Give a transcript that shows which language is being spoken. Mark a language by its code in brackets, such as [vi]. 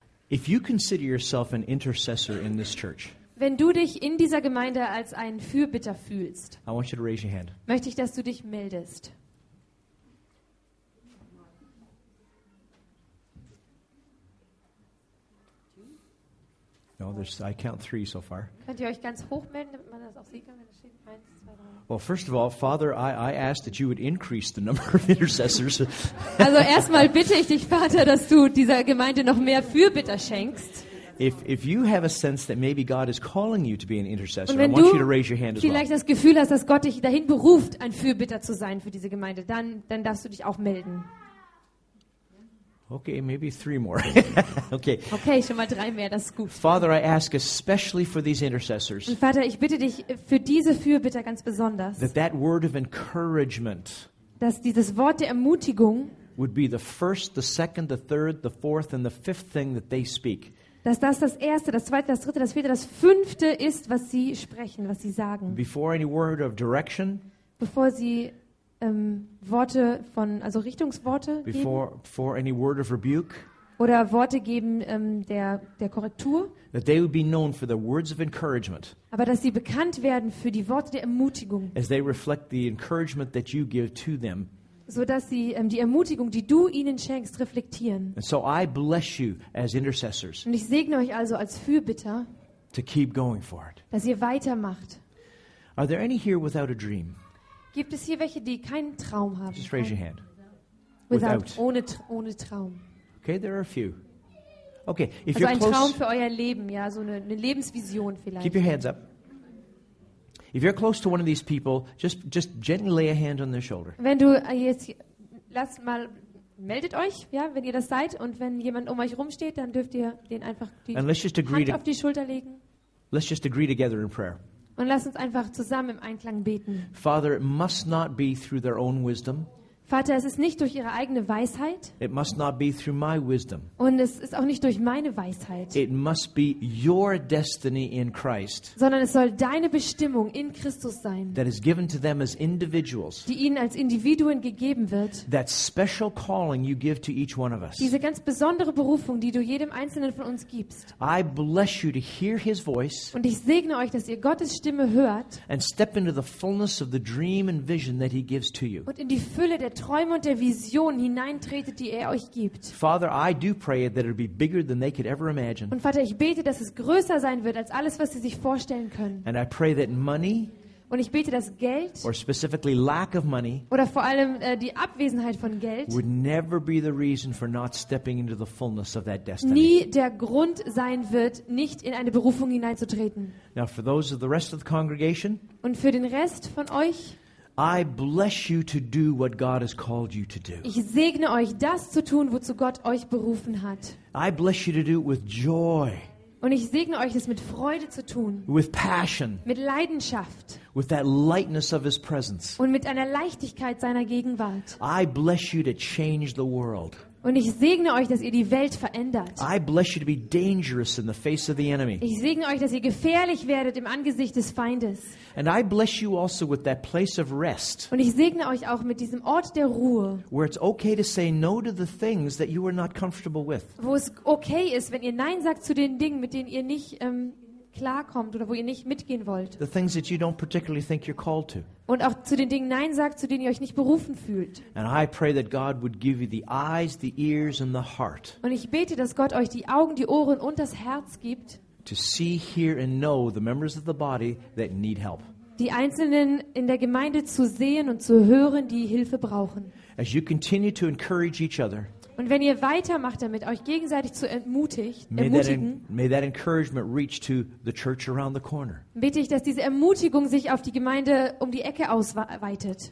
[en] If you consider yourself an intercessor in this church, [de] wenn du dich in dieser Gemeinde als ein Fürbitter fühlst, [en] I want you to raise your hand. [de] Möchte ich, dass du dich meldest. [en] No, there's, I count three so far. [de] Könnt ihr euch ganz hoch melden, damit man das auch sehen kann, wenn es steht? Eins, zwei, drei. [en] Well, first of all, Father, I ask that you would increase the number of intercessors. [de] Also erstmal bitte ich dich, Vater, dass du dieser Gemeinde noch mehr Fürbitter schenkst. [en] If you have a sense that maybe God is calling you to be an intercessor, I want you to raise your hand as well. [de] Vielleicht das Gefühl hast, dass Gott dich dahin beruft, ein Fürbitter zu sein für diese Gemeinde, dann darfst du dich auch melden. [en] Okay, maybe three more. Okay. [de] Okay, schon mal drei mehr, das ist gut. [en] Father, I ask especially for these intercessors. [de] Und Vater, ich bitte dich für diese Fürbitter ganz besonders. [en] That word of encouragement. [de] Dass dieses Wort der Ermutigung [en] would be the first, the second, the third, the fourth, and the fifth thing that they speak. [de] Dass das das erste, das zweite, das dritte, das vierte, das fünfte ist, was sie sprechen, was sie sagen. [en] Before any word of direction. [de] Bevor sie Worte von, also Richtungsworte geben. [en] Before any word of rebuke. [de] Oder Worte geben der Korrektur. [en] That they would be known for the words of encouragement. [de] Aber dass sie bekannt werden für die Worte der Ermutigung. [en] As they reflect the encouragement that you give to them. [de] Sodass sie die Ermutigung, die du ihnen schenkst, reflektieren. [en] And so I bless you as intercessors. [de] Und ich segne euch also als Fürbitter. [en] To keep going for it. [de] Dass ihr weitermacht. [en] Are there any here without a dream? [de] Gibt es hier welche, die keinen Traum haben? [en] Just raise your hand. Without. [de] Ohne Traum. [en] Okay, there are a few. Okay, if also you're close. [de] Also ein Traum für euer Leben, ja, so eine Lebensvision vielleicht. [en] Keep your hands up. If you're close to one of these people, just gently lay a hand on their shoulder. [de] Wenn du jetzt lasst mal meldet euch, ja, wenn ihr das seid und wenn jemand um euch rumsteht, dann dürft ihr den einfach die Hand auf die Schulter legen. [en] Let's just agree together in prayer. [de] Und lasst uns einfach zusammen im Einklang beten. [en] Father, it must not be through their own wisdom. [de] Vater, es ist nicht durch ihre eigene Weisheit. [en] It must not be through my wisdom. [de] Und es ist auch nicht durch meine Weisheit. [en] It must be your destiny in Christ. [de] Sondern es soll deine Bestimmung in Christus sein. [en] That is given to them as individuals. [de] Die ihnen als Individuen gegeben wird. [en] That special calling you give to each one of us. [de] Diese ganz besondere Berufung, die du jedem einzelnen von uns gibst. [en] I bless you to hear his voice. [de] Und ich segne euch, dass ihr Gottes Stimme hört. [en] And step into the fullness of the dream and vision that he gives to you. [de] Und in die Fülle der Träume und der Vision hineintretet, die er euch gibt. [en] Father, I do pray that it'll be bigger than they could ever imagine. [de] Und Vater, ich bete, dass es größer sein wird als alles, was sie sich vorstellen können. [en] And I pray that money, [de] und ich bete, dass Geld, [en] or specifically lack of money, [de] oder vor allem die Abwesenheit von Geld, [en] would never be the reason for not stepping into the fullness of that destiny. [de] Nie der Grund sein wird, nicht in eine Berufung hineinzutreten. [en] Now for those of the rest of the congregation, [de] und für den Rest von euch, [en] I bless you to do what God has called you to do. [de] Ich segne euch, das zu tun, wozu Gott euch berufen hat. [en] I bless you to do it with joy. [de] Und ich segne euch, es mit Freude zu tun. [en] With passion. [de] Mit Leidenschaft. [en] With that lightness of his presence. [de] Und mit einer Leichtigkeit seiner Gegenwart. [en] I bless you to change the world. [de] Und ich segne euch, dass ihr die Welt verändert. [en] I bless you to be dangerous in the face of the enemy. [de] Ich segne euch, dass ihr gefährlich werdet im Angesicht des Feindes. [en] And I bless you also with that place of rest. [de] Und ich segne euch auch mit diesem Ort der Ruhe. [en] Where it's okay to say no to the things that you are not comfortable with. [de] Wo es okay ist, wenn ihr Nein sagt zu den Dingen, mit denen ihr nicht klarkommt oder wo ihr nicht mitgehen wollt. [en] The things that you don't particularly think you're called to. [de] Und auch zu den Dingen Nein sagt, zu denen ihr euch nicht berufen fühlt. [en] And I pray that God would give you the eyes, the ears and the heart. [de] Und ich bete, dass Gott euch die Augen, die Ohren und das Herz gibt. [en] To see, hear and know the members of the body that need help. [de] Die Einzelnen in der Gemeinde zu sehen und zu hören, die Hilfe brauchen. [en] As you continue to encourage each other. [de] Und wenn ihr weitermacht damit, euch gegenseitig zu ermutigen, bitte ich, dass diese Ermutigung sich auf die Gemeinde um die Ecke ausweitet.